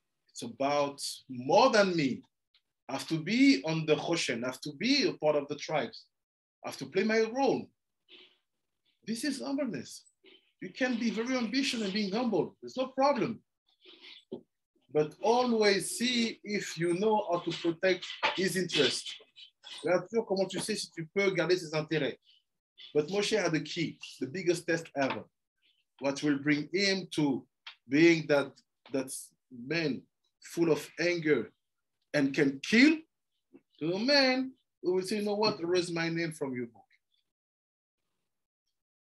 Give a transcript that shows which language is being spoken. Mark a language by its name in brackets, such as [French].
[English] It's about more than me. I have to be on the Hoshen. I have to be a part of the tribes. I have to play my role. This is humbleness. You can be very ambitious and being humble. There's no problem. But always see if you know how to protect his interest. [French] Regarde comment tu sais si tu peux garder ses intérêts. [English] But Moshe had the key, the biggest test ever. What will bring him to being that man full of anger and can kill, to a man who will say, you know what, erase my name from your book.